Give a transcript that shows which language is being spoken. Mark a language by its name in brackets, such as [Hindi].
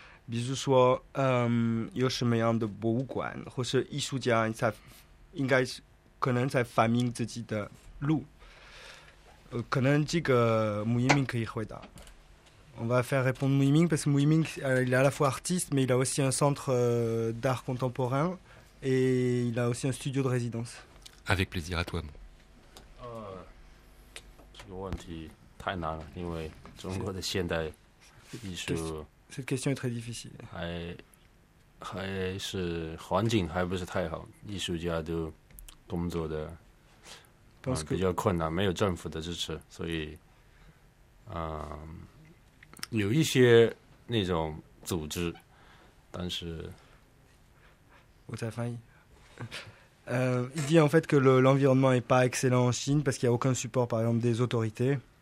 [Chinese] 比如说，有什么样的博物馆，或是艺术家在应该是可能在发明自己的路？可能这个穆一鸣可以回答。 [French] On va faire répondre Mu Yiming parce que Mu Yiming il est à la fois artiste mais il a aussi un centre d'art contemporain et il a aussi un studio de résidence. Avec plaisir à toi. [Chinese] 这个问题太难了，因为中国的现代艺术，这个 [French] question [Chinese] 也太 [French] difficile， [Chinese] 还是环境还不是太好，艺术家都工作的比较困难，没有政府的支持，所以有一些那种组织，但是我在翻译。 [French] Il dit en fait que l'environnement n'est pas excellent en Chine parce qu'il n'y a aucun support par exemple des autorités.